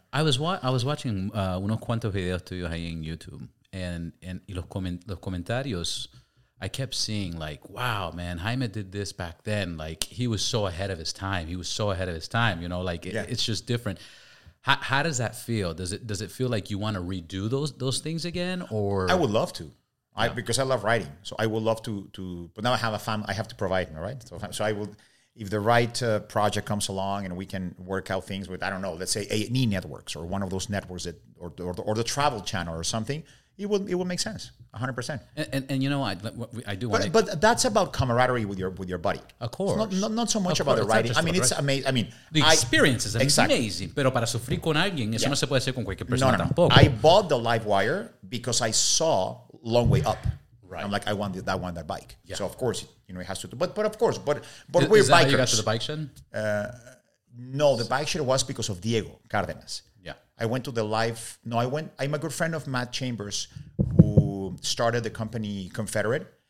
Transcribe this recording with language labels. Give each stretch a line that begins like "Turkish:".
English: I was watching
Spanish: unos cuantos videos tuyos ahí en YouTube y los comentarios...
English: I kept seeing like, wow, man, Jaime did this back then. Like, he was so ahead of his time. You know, like, it's just different. How does that feel? Does it feel like you want to redo those things again? Or I would love to, because I love riding. So I would love to. But now I have a family. I have to provide, right? So I will, if the right project comes along and we can work out things with, I don't know, let's say A&E Networks or one of those networks that, or the Travel Channel or something. It will make sense, 100%. And you know what? I do want to... But that's about camaraderie with your buddy. Of course. Not so much about the riding. I mean, it's amazing. I mean, the experience is amazing.
Spanish: Pero para sufrir con alguien, eso no se puede hacer con cualquier persona tampoco.
English: I bought the LiveWire because I saw Long Way Up. Right. I'm like, I want that one, that bike. Yeah. So of course, you know, it has to, but of course, but we're bikers. How you got to the bike shed? No, the bike shed was because of Diego Cárdenas. Yeah. I went to the live, no, I went, I'm a good friend of Matt Chambers, who started the company Confederate.